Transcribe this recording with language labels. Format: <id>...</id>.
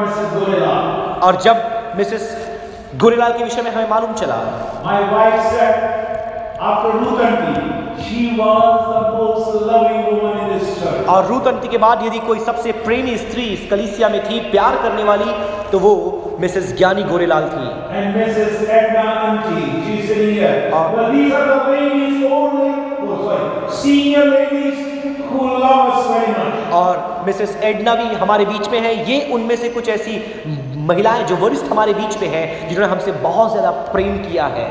<hi>और जब मिसेस गोरेलाल के विषय में हमें मालूम चला,</hi> <en>My wife said after रूथंती she was the most loving woman in this church.</en> <hi>और रूथंती के बाद यदि कोई सबसे प्रेमी स्त्री इस कलीसिया में थी, प्यार करने वाली, तो वो मिसेस ज्ञानी गोरेलाल थी।</hi> <en>And Mrs. Edna Auntie, she's sitting here. But these are the ladies, old ladies, senior ladies who love us very much.</en> <hi>और मिसेस एडना भी हमारे बीच में है। ये उनमें से कुछ ऐसी महिलाएं जो वरिष्ठ हमारे बीच में है, जिन्होंने हमसे बहुत ज्यादा प्रेम किया है।</hi>